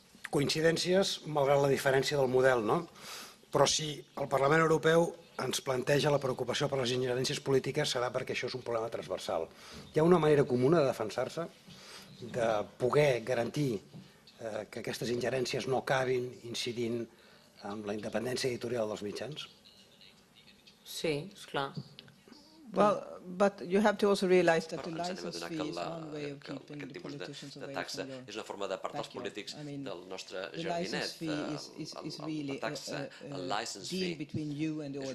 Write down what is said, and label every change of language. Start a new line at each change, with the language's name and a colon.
Catalan: Coincidències, malgrat la diferència del model, no? Però si el Parlament Europeu ens planteja la preocupació per les ingerències polítiques, serà perquè això és un problema transversal. Hi ha una manera comuna de defensar-se, de poder garantir que aquestes ingerències no acabin incidint amb la independència editorial dels mitjans? Sí, és clar.
English: Well, but you have to also realize that the license fee is one way of keeping the politicians away from the taxa.
Catalan: És una forma d'apartar els polítics del nostre jardinet. La taxa, el
English: license fee, between you and the audience.